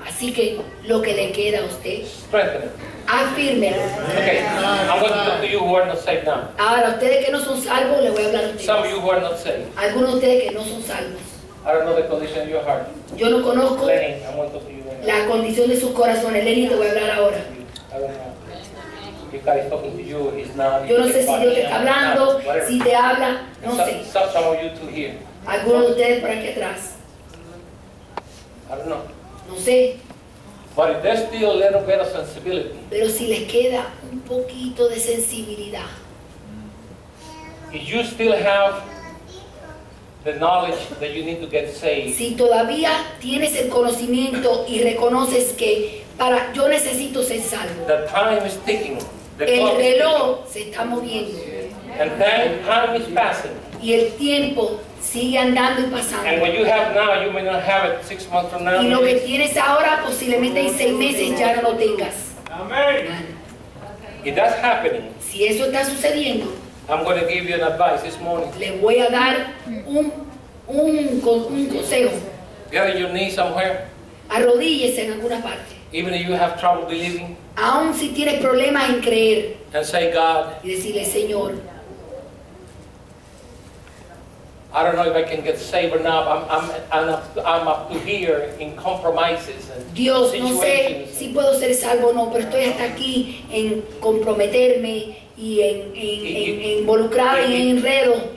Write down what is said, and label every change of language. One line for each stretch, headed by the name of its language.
Spanish: así que lo que le queda a usted,
English: strengthen it.
Spanish: Afírmelo.
English: Okay, I'm going to talk to you who are not saved now.
Spanish: Ahora, ustedes que no son salvos, le voy a hablar a ustedes.
English: Some of you who are not saved.
Spanish: Algunos de ustedes que no son salvos.
English: I don't know the condition of your heart.
Spanish: Yo no conozco
English: Lenin, I'm going to talk to you right now.
Spanish: La condición de sus corazones. Lenin, te voy a hablar ahora. Yo no sé si Dios te está hablando, si te habla, no sé.
English: Some of you two here.
Spanish: Algunos de ustedes por aquí atrás.
English: I don't know.
Spanish: No sé.
English: But if there's still a little bit of sensibility.
Spanish: Pero si les queda un poquito de sensibilidad.
English: If you still have the knowledge that you need to get saved.
Spanish: Si todavía tienes el conocimiento y reconoces que para yo necesito ser salvo.
English: The time is ticking.
Spanish: El reloj se está moviendo.
English: And time is passing.
Spanish: Y el tiempo sigue andando y pasando.
English: And what you have now, you may not have it 6 months from now.
Spanish: Y lo que tienes ahora, posiblemente en 6 meses ya no lo tengas.
English: Amen. If that's happening,
Spanish: si eso está sucediendo,
English: I'm going to give you an advice this morning.
Spanish: Le voy a dar un consejo.
English: Get on your knees somewhere.
Spanish: Arrodíllese en alguna parte.
English: Even if you have trouble believing.
Spanish: Aún si tienes problemas en creer.
English: And say, God.
Spanish: Y decirle, Señor.
English: I don't know if I can get saved or not. I'm up to here in compromises and
Spanish: Dios,
English: situations.
Spanish: No sé si puedo ser salvo o no, pero estoy hasta aquí en comprometerme y en involucrarme en enredo.